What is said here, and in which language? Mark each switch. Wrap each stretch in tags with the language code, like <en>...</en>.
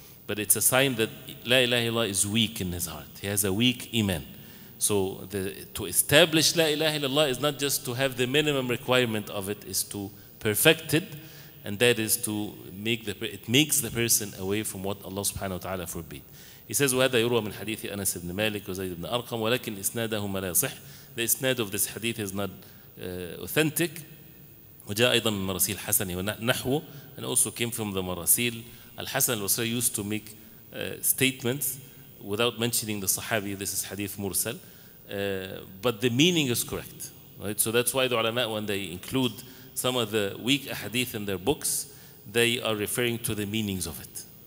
<en>But it's a sign that La ilaha illallah is weak in his heart. He has a weak iman. So to establish La ilaha illallah is not just to have the minimum requirement of it, is to perfect it, and that is to makes the person away from what Allah subhanahu wa ta'ala forbid. He says,</en> <ar>وَهَذَا يُرْوَى مِنْ حَدِيثِ أَنَسِ بْنِ مَالِكِ وَزَيْدِ بْنِ أَرْقَمُ وَلَكِنْ إِسْنَادَهُمَ لَا صِحْ.</ar> <en>The isnad of this hadith is not authentic.</en> <ar>وجاء أيضا من مراسيل الحسن ونحو,</ar> <en>and also came from the</en> <ar>مراسيل.</ar> <en>الحسن البصري used to make statements without mentioning the Sahabi. This is hadith mursal, but the meaning is correct, right? So that's why the ulama, when they include some of the weak hadith in their books, they are referring to the meanings of it.</en>